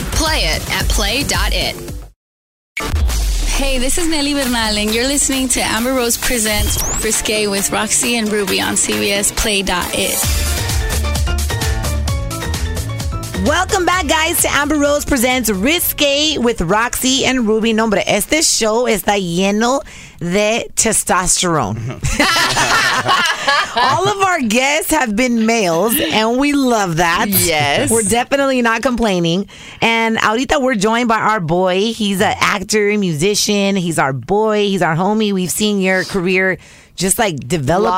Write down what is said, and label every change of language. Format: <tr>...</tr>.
<en>Play it at play.it. Hey, this is Nelly Bernal, and you're listening to Amber Rose Presents Risqué with RaqC and Rubi on CBS Play.it. Welcome back, guys, to Amber Rose Presents Risqué with RaqC and Rubi.</en> <es>No, hombre, este show está lleno de testosterone.</es> <en>All of our guests have been males, and we love that. Yes. We're definitely not complaining. And ahorita we're joined by our boy. He's an actor, musician. He's our boy. He's our homie. We've seen your career just like develop</en>